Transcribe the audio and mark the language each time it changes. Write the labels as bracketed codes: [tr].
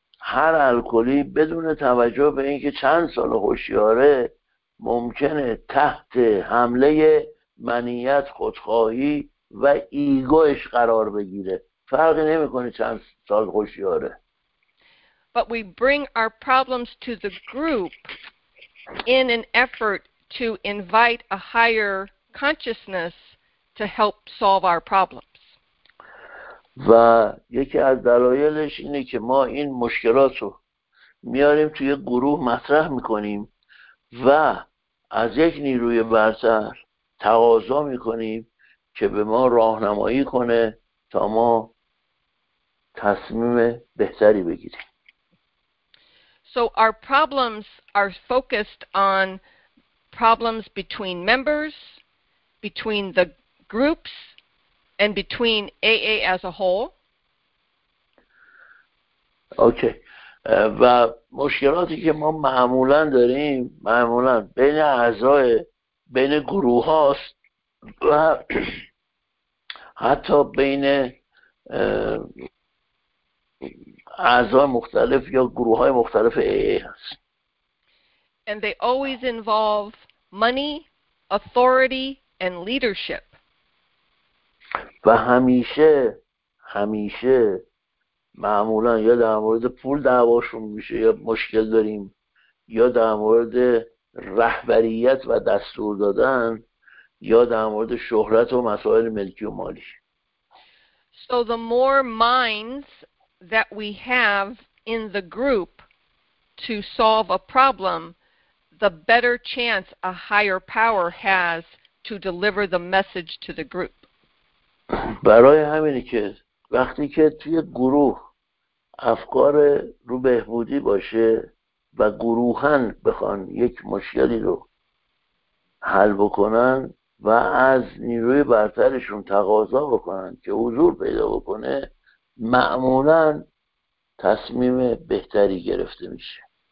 [fa] هر الکلی بدون توجه به اینکه چند سال هوشیاره ممکنه تحت حمله منیت، خودخواهی و ایگوش قرار بگیره. فرقی نمیکنه چند سال هوشیاره. [en] But we bring our problems to the group in an effort to invite a higher consciousness to help solve our problems. [fa] و یکی از دلایلش اینه که ما این مشکلات رو میاریم توی گروه مطرح میکنیم و از یک نیروی برتر تقاضا میکنیم که به ما راهنمایی کنه تا ما تصمیم بهتری بگیریم. [en] So our problems are focused on problems between members, between the groups, and between AA as a whole. [fa] اوکی و مشکلاتی که ما معمولا داریم معمولا بین اعضای بین گروه هاست و حتی بین اعضای مختلف یا گروه های مختلف AA هست. [en] And they always involve money, authority, and leadership. [fa] و همیشه همیشه معمولا یا در مورد پول دعواشون میشه یا مشکل داریم یا در مورد رهبریت و دستور دادن یا در مورد شهرت و مسائل ملکی و مالی. [en] So the more minds that we have in the group to solve a problem, the better chance a higher power has to deliver the message to the group. [fa] برای همینه که وقتی که توی گروه افکار رو بهبودی باشه و گروهن بخوان یک مشکلی رو حل بکنن و از نیروی برترشون تقاضا بکنن که حضور پیدا بکنه معمولا تصمیم بهتری گرفته میشه.